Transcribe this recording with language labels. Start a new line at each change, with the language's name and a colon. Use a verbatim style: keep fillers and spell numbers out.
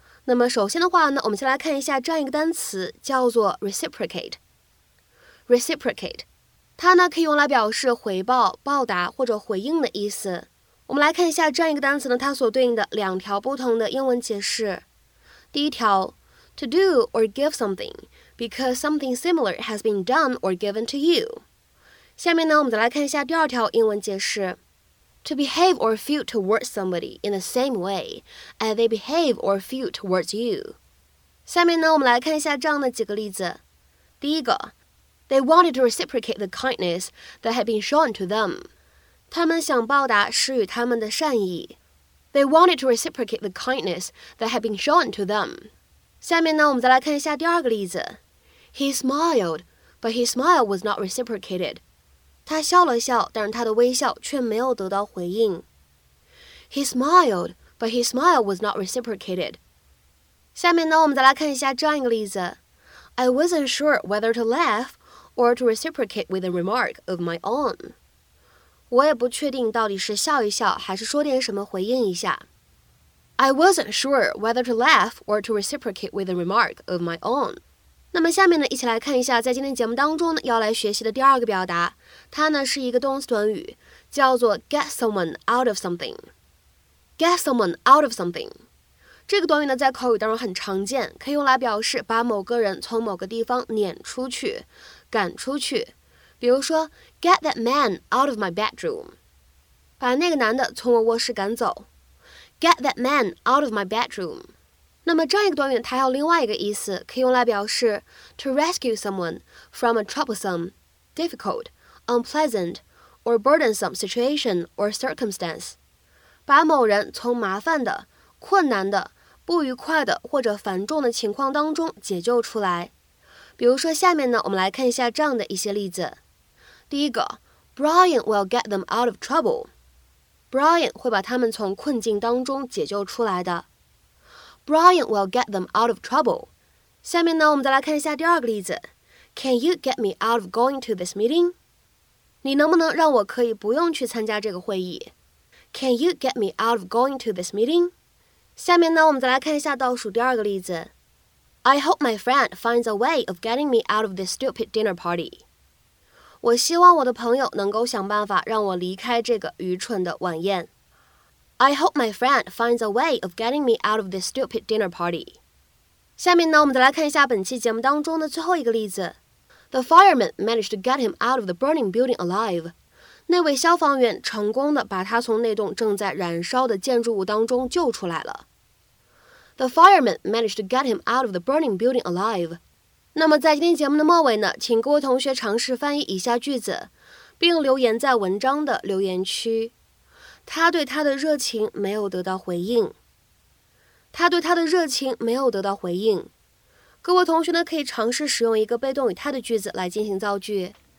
Chinese: 那么首先的话呢，我们先来看一下这样一个单词叫做 reciprocate。 reciprocate 它呢可以用来表示回报、报答或者回应的意思。我们来看一下这样一个单词呢，它所对应的两条不同的英文解释。
English: 第一条 to do or give something because something similar has been done or given to you。
Chinese: 下面呢，我们再来看一下第二条英文解释
English: ：to behave or feel towards somebody in the same way as they behave or feel towards you。
Chinese: 下面呢，我们来看一下这样的几个例子。
English: 第一个 ，They wanted to reciprocate the kindness that had been shown to them。
Chinese: 他们想报答施予他们的善意。
English: They wanted to reciprocate the kindness that had been shown to them。
Chinese: 下面呢，我们再来看一下第二个例子。
English: He smiled, but his smile was not reciprocated。
Chinese: 他笑了笑，但是他的微笑却没有得到回应。
English: He smiled, but his smile was not reciprocated.
Chinese: 下面呢，我们再来看一下这样一个例子。
English: I wasn't sure whether to laugh or to reciprocate with a remark of my own.
Chinese: 我也不确定到底是笑一笑，还是说点什么回应一下。
English: I wasn't sure whether to laugh or to reciprocate with a remark of my own.
Chinese: 那么下面呢，一起来看一下在今天节目当中呢要来学习的第二个表达，它呢是一个动词短语，叫做 get someone out of something。 get someone out of something 这个短语呢在口语当中很常见，可以用来表示把某个人从某个地方撵出去、赶出去。比如说
English: get that man out of my bedroom，
Chinese: 把那个男的从我卧室赶走。
English: get that man out of my bedroom。那么这样一个短语它还有另外一个意思，可以用来表示 to rescue someone from a troublesome, difficult, unpleasant, or burdensome situation or circumstance，
Chinese: 把某人从麻烦的、困难的、不愉快的或者繁重的情况当中解救出来。比如说下面呢，我们来看一下这样的一些例子。
English: 第一个 Brian will get them out of trouble。
Chinese: Brian 会把他们从困境当中解救出来的。
English: Brian will get them out of trouble.
Chinese: 下面呢，我们再来看一下第二个例子。
English: Can you get me out of going to this meeting?
Chinese: 你能不能让我可以不用去参加这个会议？
English: Can you get me out of going to this meeting?
Chinese: 下面呢，我们再来看一下倒数第二个例子。
English: I hope my friend finds a way of getting me out of this stupid dinner party.
Chinese: 我希望我的朋友能够想办法让我离开这个愚蠢的晚宴。
English: I hope my friend finds a way of getting me out of this stupid dinner party.
Chinese: 下面呢，我们再来看一下本期节目当中的最后一个例子。
English: The fireman managed to get him out of the burning building alive.
Chinese: 那位消防员成功的把他从那栋正在燃烧的建筑物当中救出来了。
English: The fireman managed to get him out of the burning building alive.
Chinese: 那么在今天节目的末尾呢，请各位同学尝试翻译以下句子，并留言在文章的留言区。他对他的热情没有得到回应。他对他的热情没有得到回应。各位同学呢，可以尝试使用一个被动语态的句子来进行造句。